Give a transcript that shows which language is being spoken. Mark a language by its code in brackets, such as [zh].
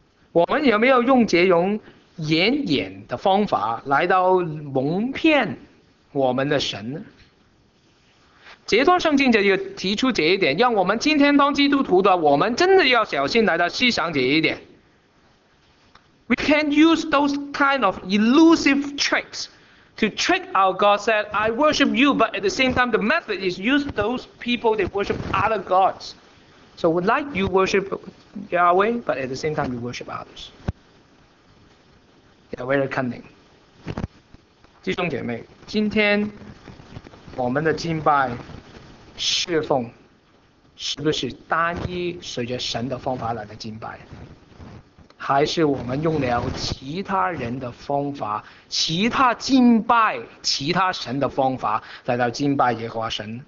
[zh] 我们有没有用这种掩掩的方法来到蒙骗我们的神呢？这段圣经就要提出这一点，让我们今天当基督徒的我们真的要小心来到思想这一点。 [en] We can't use those kind of elusive tricks to trick our God. Said, "I worship you," but at the same time, the method is use those people that worship other gods. So, like you worship Yahweh, but at the same time, you worship others. They are very cunning. [zh] 弟兄姐妹，今天我们的敬拜、侍奉，是不是单一随着神的方法来的敬拜？还是我们用了其他人的方法，其他敬拜其他神的方法来到敬拜耶和华神？